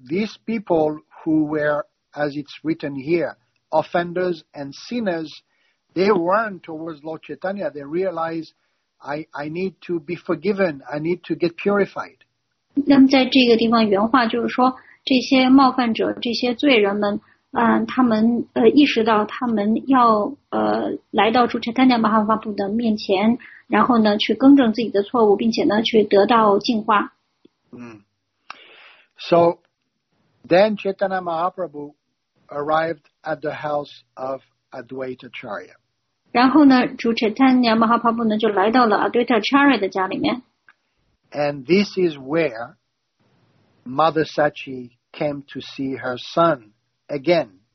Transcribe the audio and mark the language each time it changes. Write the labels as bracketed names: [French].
[English] these people who were, as it's written here, offenders and sinners, they run towards Lord Chaitanya. They realize, I need to be forgiven. I need to get purified. [Chinese] 那么在这个地方原话就是说，这些冒犯者，这些罪人们。他们意识到他们要来到主 Chaitanya Mahaprabhu的面前，然后呢去更正自己的错误，并且呢去得到净化。 [English] So then Chaitanya Mahaprabhu arrived at the house of Advaita Acharya. [Chinese] 然后呢，主 Chaitanya Mahaprabhu 呢就来到了 Advaita Acharya 的家里面。 [English] And this is where Mother Sachi came to see her son again.